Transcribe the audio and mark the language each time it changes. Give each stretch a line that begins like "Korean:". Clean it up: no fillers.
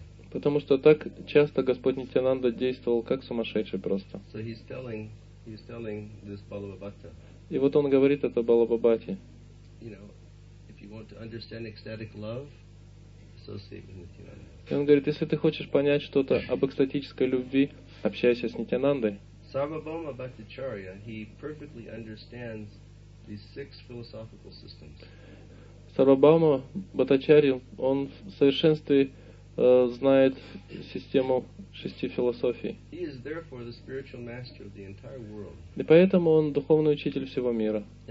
Russian: Потому что так часто Господь Нитьянанда действовал как сумасшедший просто.
English: So he's telling this Balabhabhata.
Russian: И вот он говорит это Балабхабате.
English: You know, if you want to understand ecstatic love, associate with Nityananda.
Russian: И он говорит, если ты хочешь понять что-то об экстатической любви, общайся с Нитьянандой.
English: Sarvabhauma Bhattacharya, he perfectly understands these six philosophical systems.
Russian: Сарвабхаума Бхаттачарья, он в совершенстве знает систему шести философий. И поэтому он духовный учитель всего мира.